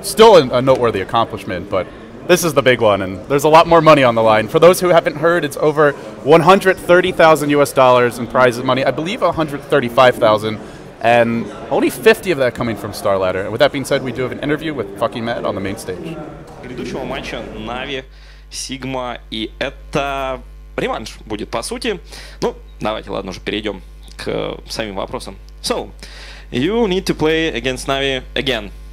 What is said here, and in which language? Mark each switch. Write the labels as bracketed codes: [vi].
[en] Still a noteworthy accomplishment, but this is the big one, and there's a lot more money on the line. For those who haven't heard, it's over $130,000 in prize money. I believe $135,000, and only 50 of that coming from Star Ladder. And with that being said, we do have an interview with Fucking Matt on the main stage. [ru] Предыдущего матча Na'Vi, Sigma, и это реванш будет по сути. Ну, давайте, ладно, уже перейдем к самим вопросам. [en] So, you need to play against Na'Vi again.